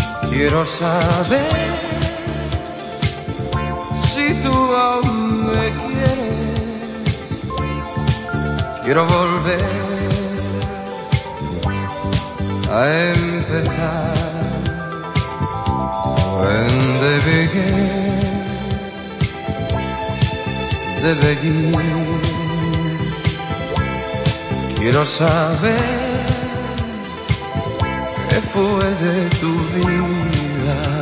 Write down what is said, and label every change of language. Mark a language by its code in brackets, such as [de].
[es] Quiero saber si tú aún me quieres. Quiero volver a empezar. [en] When they begin, they begin. [es] Quiero saber qué fue de tu vida.